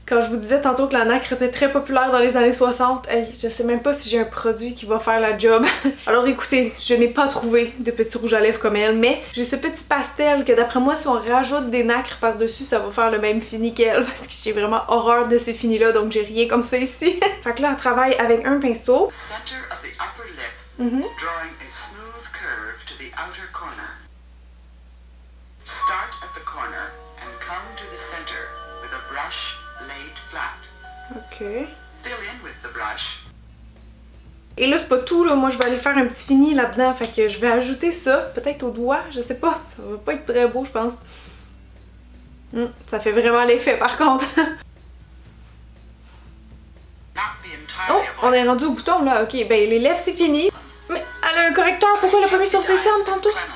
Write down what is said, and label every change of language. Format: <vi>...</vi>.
<fr>Quand je vous disais tantôt que la nacre était très populaire dans les années 60, hey, je sais même pas si j'ai un produit qui va faire la job. Alors écoutez, je n'ai pas trouvé de petit rouge à lèvres comme elle, mais j'ai ce petit pastel que d'après moi, si on rajoute des nacres par-dessus, ça va faire le même fini qu'elle, parce que j'ai vraiment horreur de ces finis-là, donc j'ai rien comme ça ici. Fait que là, elle travaille avec un pinceau.</fr> <en>Center of the upper lip, drawing a smooth curve to the outer corner. Start at the corner and come to the center with a brush laid flat. Okay. Fill in with the brush.</en> <fr>Et là, c'est pas tout, là. Moi, je vais aller faire un petit fini là-dedans. Fait que je vais ajouter ça, peut-être au doigt, je sais pas. Ça va pas être très beau, je pense. Ça fait vraiment l'effet, par contre. Oh, on est rendu au bouton, là. Ok, ben les lèvres, c'est fini. Mais elle a un correcteur, pourquoi elle l'a pas mis sur ses cernes tantôt?</fr>